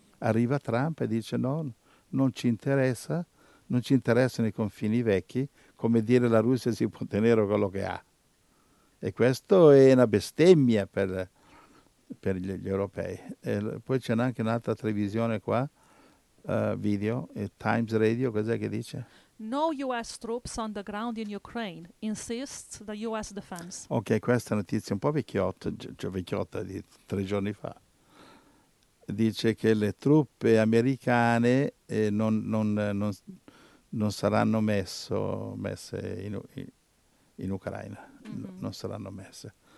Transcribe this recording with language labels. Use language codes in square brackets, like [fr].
[it] Arriva Trump e dice no, non ci interessa, non ci interessano i confini vecchi, come dire la Russia si può tenere quello che ha. E questo è una bestemmia per gli europei. E poi c'è anche un'altra televisione qua, video, Times Radio, cos'è che dice? [en] No US troops on the ground in Ukraine, insists the US defense. [it] Ok, questa notizia è un po' vecchiotta, cioè vecchiotta di 3 giorni fa. Dice che le truppe americane non saranno messe in Ucraina, non saranno messe.